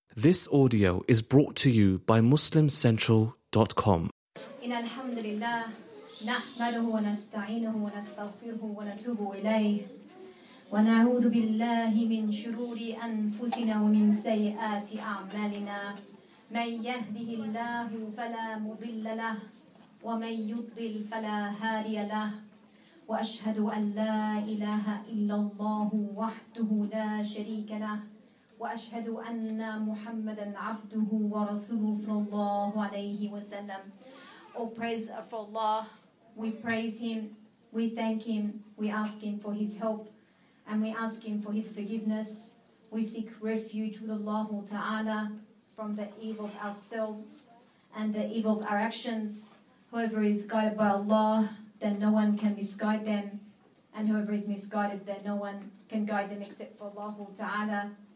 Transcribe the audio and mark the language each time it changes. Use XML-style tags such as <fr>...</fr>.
<en>This audio is brought to you by MuslimCentral.com.</en> <ar>إن الحمد لله نحمده ونستعينه ونستغفره ونتوب إليه ونعوذ بالله من شرور أنفسنا ومن سيئات أعمالنا من يهده الله فلا مضل له ومن يضلل فلا هادي له وأشهد أن لا إله إلا الله وحده لا شريك له وأشهد أن محمدًا عبده ورسوله صلى الله عليه وسلم.</ar> <en>All praise for Allah. We praise Him. We thank Him. We ask Him for His help, and we ask Him for His forgiveness. We seek refuge with Allah Ta'ala from the evil of ourselves and the evil of our actions. Whoever is guided by Allah, then no one can misguide them, and whoever is misguided, then no one can guide them except for Allah Ta'ala.</en>